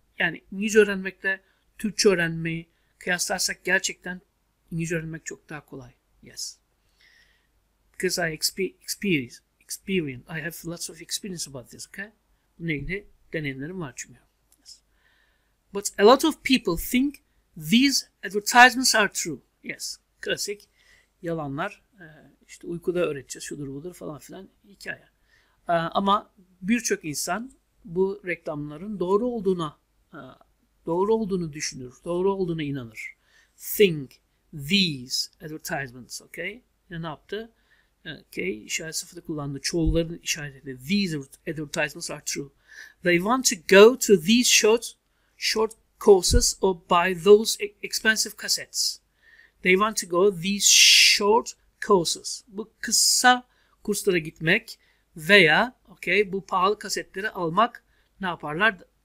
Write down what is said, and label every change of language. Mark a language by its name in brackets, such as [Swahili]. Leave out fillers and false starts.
[Turkish] Yani İngilizce öğrenmekle Türkçe öğrenmeyi kıyaslarsak gerçekten İngilizce öğrenmek çok daha kolay. [English] Yes. Because I experience, I have lots of experience about this, okay? [Turkish] Bununla ilgili deneyimlerim var çünkü. [English] Yes. But a lot of people think these advertisements are true. [Turkish] Yes. Klasik yalanlar. İşte uykuda öğreteceğiz, şudur budur falan filan hikaye. Ama birçok insan bu reklamların doğru olduğunu düşünür, doğru olduğuna inanır. [English] Think these advertisements, okay? [Turkish] Ne yaptı? Okay, işaret sıfırı kullandı. Çoğulların işaretleri. [English] These advertisements are true. They want to go to these short courses or buy those expensive cassettes. They want to go these short courses. [Turkish] Bu kısa kurslara gitmek veya okay, bu pahalı kasetleri almak ne yaparlar?